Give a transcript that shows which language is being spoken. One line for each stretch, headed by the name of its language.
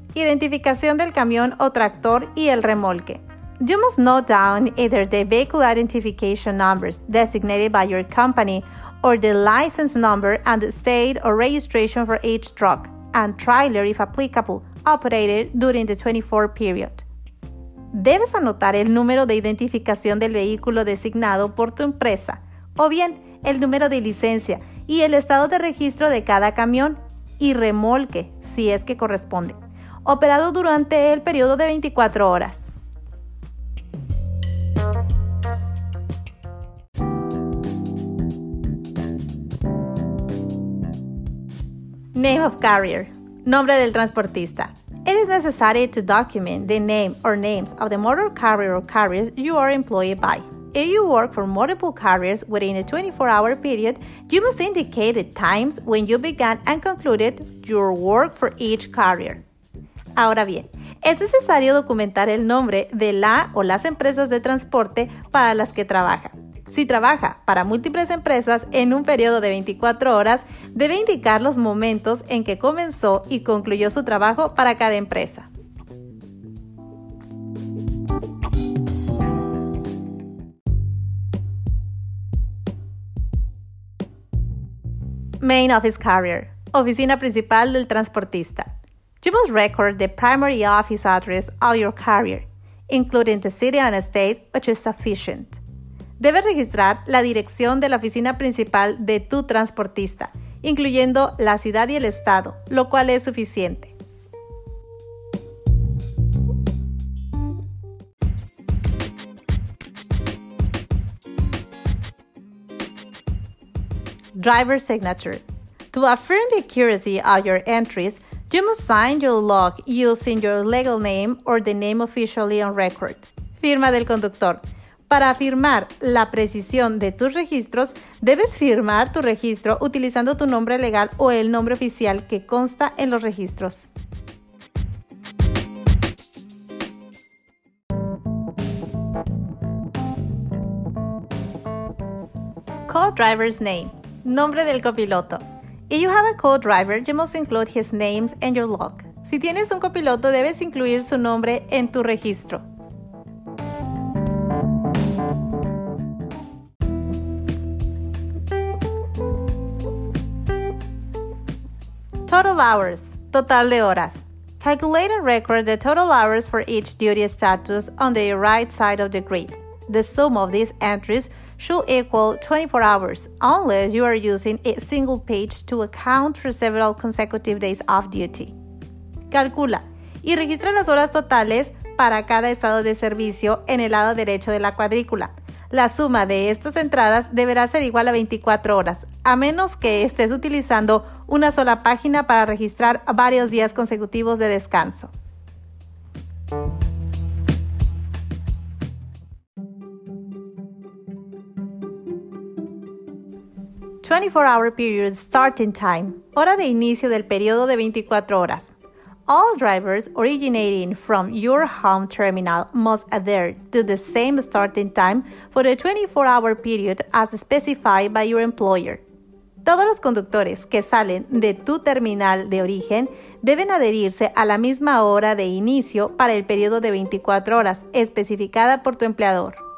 Spanish: Identificación del camión o tractor y el remolque.
English: You must note down either the vehicle identification numbers designated by your company or the license number and the state or registration for each truck and trailer, if applicable, operated during the 24 period.
Spanish: Debes anotar el número de identificación del vehículo designado por tu empresa o bien el número de licencia y el estado de registro de cada camión y remolque, si es que corresponde, operado durante el periodo de 24 horas.
English: Name of carrier,
Spanish: nombre del transportista.
English: It is necessary to document the name or names of the motor carrier or carriers you are employed by. If you work for multiple carriers within a 24-hour period, you must indicate the times when you began and concluded your work for each carrier.
Spanish: Ahora bien, es necesario documentar el nombre de la o las empresas de transporte para las que trabaja. Si trabaja para múltiples empresas en un periodo de 24 horas, debe indicar los momentos en que comenzó y concluyó su trabajo para cada empresa.
English: Main office carrier,
Spanish: oficina principal del transportista.
English: You must record the primary office address of your carrier, including the city and state, which is sufficient.
Spanish: Debes registrar la dirección de la oficina principal de tu transportista, incluyendo la ciudad y el estado, lo cual es suficiente.
English: Driver signature. To affirm the accuracy of your entries, you must sign your log using your legal name or the name officially on record.
Spanish: Firma del conductor. Para afirmar la precisión de tus registros, debes firmar tu registro utilizando tu nombre legal o el nombre oficial que consta en los registros.
English: Co-driver's name,
Spanish: nombre del copiloto.
English: If you have a co-driver, you must include his name in your log.
Spanish: Si tienes un copiloto, debes incluir su nombre en tu registro.
English: Total hours,
Spanish: total de horas.
English: Calculate and record the total hours for each duty status on the right side of the grid. The sum of these entries should equal 24 hours, unless you are using a single page to account for several consecutive days off duty.
Spanish: Calcula y registra las horas totales para cada estado de servicio en el lado derecho de la cuadrícula. La suma de estas entradas deberá ser igual a 24 horas, a menos que estés utilizando una sola página para registrar varios días consecutivos de descanso.
English: Hour period starting time,
Spanish: hora de inicio del periodo de 24 horas.
English: All drivers originating from your home terminal must adhere to the same starting time for the 24-hour period as specified by your employer.
Spanish: Todos los conductores que salen de tu terminal de origen deben adherirse a la misma hora de inicio para el periodo de 24 horas especificada por tu empleador.